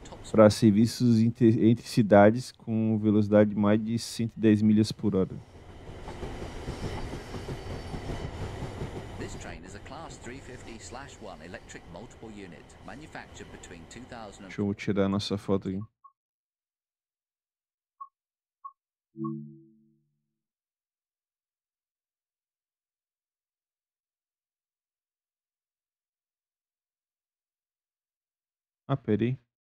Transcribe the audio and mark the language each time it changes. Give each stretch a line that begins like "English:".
Portuguese: para serviços entre cidades com velocidade de mais de 110 milhas por hora.
English: This train is a class 350/1 electric multiple unit, manufactured between 2000.
Portuguese: Deixa eu tirar a nossa foto aqui. Ah, peraí.